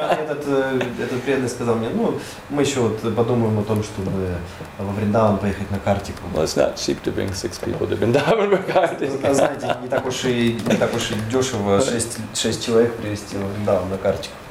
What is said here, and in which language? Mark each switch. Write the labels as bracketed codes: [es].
[ru] Этот преданный сказал мне, ну, мы еще вот подумаем о том, чтобы во Вриндаван поехать на Картику. [en] Well, it's not cheap to bring six people to Vrindavan for Kartik. [ru] Знаете, не так уж и дешево шесть человек привезти во Вриндаван на Картик.